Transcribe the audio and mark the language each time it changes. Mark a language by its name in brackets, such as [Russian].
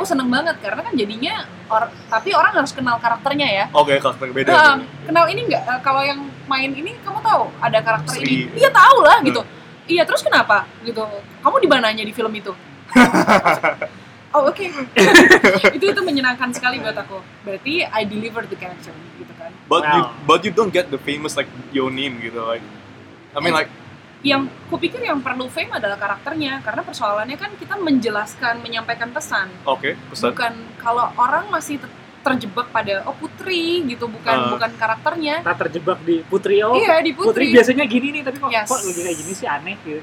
[Indonesian] Aku seneng banget karena kan jadinya tapi orang harus kenal karakternya ya. Karakter beda. Kenal ini nggak? Kalau yang main ini kamu tahu ada karakter ini? Iya tahu lah gitu. Iya terus kenapa gitu? Kamu di mananya di film itu? itu menyenangkan sekali buat aku. Berarti [English] I deliver the character [Indonesian] gitu kan. [English] But you don't get the famous like your name [Indonesian] gitu [English] like. I mean like. [Indonesian] yang kupikir yang perlu fame adalah karakternya, karena persoalannya kan kita menjelaskan, menyampaikan pesan. Oke, pesan. Bukan kalau orang masih terjebak pada oh Putri gitu, bukan bukan karakternya. Tak terjebak di Putri, oh. Iya, di Putri. Putri biasanya gini nih, tapi kok kok lu kayak gini sih, aneh gitu.